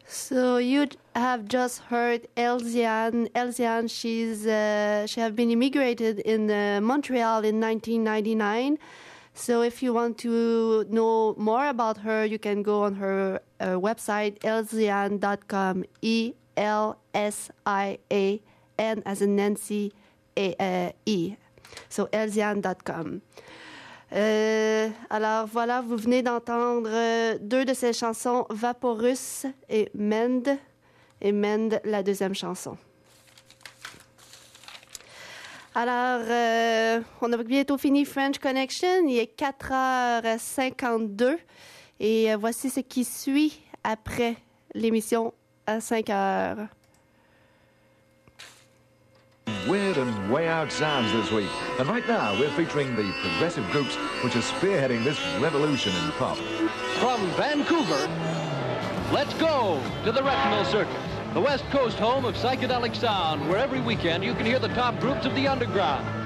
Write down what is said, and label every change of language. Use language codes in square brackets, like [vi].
[en] you have just heard Elsiane, she have been immigrated in Montreal in 1999. So if you want to know more about her, you can go on her website, elsiane.com, E-L-S-I-A-N, as in Nancy, E. So elsiane.com. [fr] Alors voilà, vous venez d'entendre deux de ses chansons, Vaporus et Mend, la deuxième chanson. Alors, on a bientôt fini French Connection, il est 4h52 et voici ce qui suit après l'émission à 5h. [en] Weird and way out sounds this week. And right now, we're featuring the progressive groups which are spearheading this revolution in pop. From Vancouver, let's go to the Retinal Circus, the West Coast home of psychedelic sound, where every weekend you can hear the top groups of the underground.